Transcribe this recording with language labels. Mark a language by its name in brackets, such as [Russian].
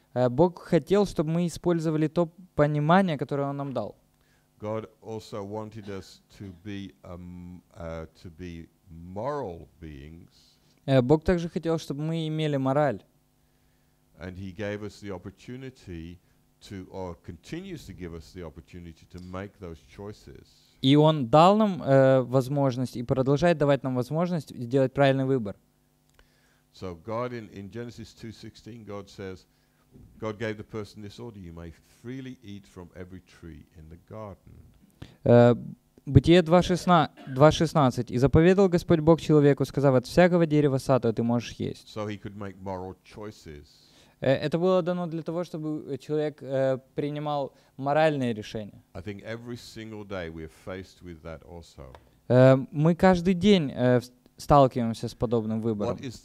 [Russian] Бог хотел, чтобы мы использовали то понимание, которое Он нам дал. [English] God also wanted us to be to be moral beings. [Russian] Бог также хотел, чтобы мы имели мораль. [English] And He gave us the opportunity to, or continues to give us the opportunity to make those choices. [Russian] И Он дал нам возможность и продолжает давать нам возможность сделать правильный выбор. [English] So God in Genesis 2:16, God says, God gave the person this order: you may freely eat from every tree in the garden. [Russian] Бытие 2:16. И заповедал Господь Бог человеку, сказав: от всякого дерева сада ты можешь есть. [English] So He could make moral choices. [Russian] Это было дано для того, чтобы человек принимал моральные решения. Мы каждый день сталкиваемся с подобным выбором.